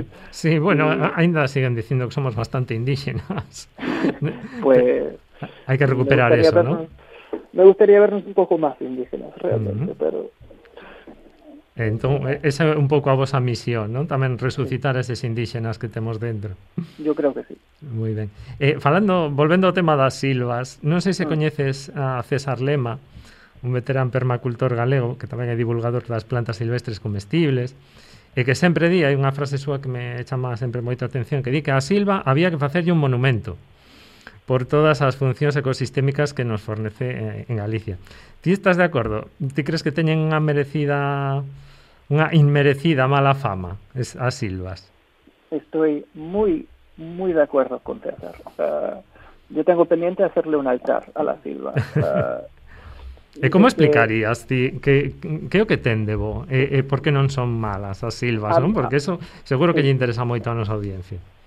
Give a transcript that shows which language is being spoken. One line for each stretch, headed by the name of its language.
Spanish: Sí, bueno, ainda siguen diciendo que somos bastante indígenas. Pues hay que recuperar eso, ¿no? Me gustaría vernos un poco más indígenas, realmente, pero... Entonces, esa es un poco
Galician: a vosa misión,
Spanish: ¿no? También resucitar a esos indígenas que tenemos dentro. Yo creo que sí. Muy bien. Volviendo al tema de las silvas, no sé si conoces a César Lema,
Galician: un veterán permacultor galego, que tamén é divulgador das plantas silvestres comestibles, e que sempre di, hai unha frase súa que me chama sempre moita atención, que di que a silva había que facerlle un monumento por todas as funcións ecosistémicas que nos fornece en Galicia. Ti estás de acordo? Ti crees que teñen unha inmerecida mala fama as silvas?
Spanish: Estoy
Galician: moi, moi de acordo
Spanish: con César. Yo tengo pendiente hacerle un altar a la silva.
Galician: ¿E como explicarías ti que o que ten de bo? ¿Por qué non son malas as silvas? ¿No? Porque eso seguro que lle interesa moito a nosa audiencia.